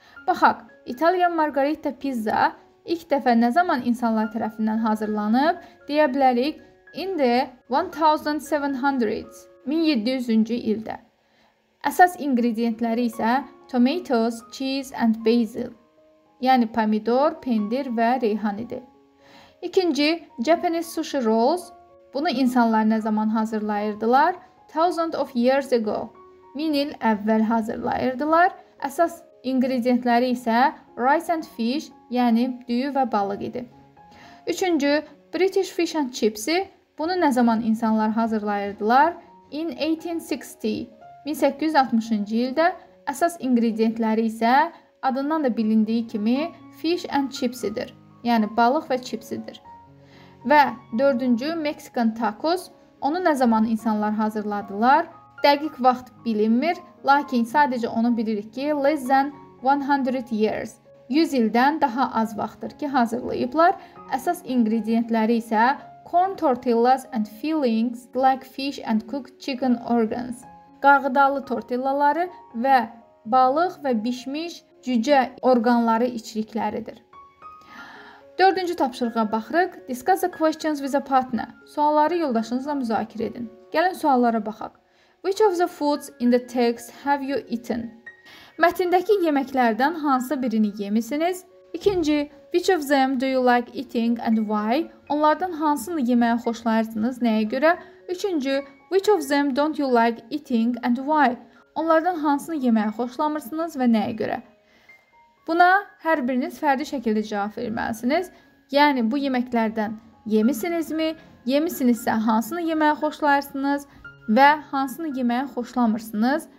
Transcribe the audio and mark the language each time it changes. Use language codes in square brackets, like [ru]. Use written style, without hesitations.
[az] Baxaq, İtalyan margarita pizza ilk dəfə nə zaman insanlar tərəfindən hazırlanıb? Deyə bilərik, [en] in the 1700s, [az] 1700-cü ildə. Əsas ingredientləri isə [en] tomatoes, cheese and basil, [az] yəni pomidor, pendir və reyhan idi. İkinci, Japanese sushi rolls. Bunu insanlar nə zaman hazırlayırdılar? [en] Thousands of years ago. [az] Min il əvvəl hazırlayırdılar. Əsas ingredientləri isə [en] rice and fish, [az] yəni düyü və balıq idi. Üçüncü, British fish and chipsi. Bunu nə zaman insanlar hazırlayırdılar? [en] In 1860, [az] 1860-cı ildə əsas ingredientləri isə adından da bilindiyi kimi fish and chipsidir, yəni balıq və chipsidir. Və dördüncü, Mexican tacos. Onu nə zaman insanlar hazırladılar? Dəqiq vaxt bilinmir, lakin sadəcə onu bilirik ki, [en] less than 100 years. [az] 100 ildən daha az vaxtdır ki, hazırlayıblar. Əsas ingredientləri isə [en] corn tortillas and fillings like fish and cooked chicken organs. [az] Qarğıdalı tortillaları və balıq və bişmiş cücə orqanları içlikləridir. Dördüncü tapşırığa baxırıq. [en] Discuss the questions with a partner. [az] Sualları yoldaşınızla müzakirə edin. Gəlin suallara baxaq. [en] Which of the foods in the text have you eaten? [az] Mətindəki yeməklərdən hansı birini yemisiniz? [en] İkinci, which of them do you like eating and why? [az] Onlardan hansını yeməyə xoşlayırsınız, nəyə görə? [en] Üçüncü, which of them don't you like eating and why? [az] Onlardan hansını yeməyə xoşlamırsınız və nəyə görə? Buna hər biriniz fərdi şəkildə cavab verməlisiniz. Yəni, bu yeməklərdən yemisinizmi? Yemisinizsə, hansını yeməyə xoşlayırsınız və hansını yeməyə xoşlamırsınız?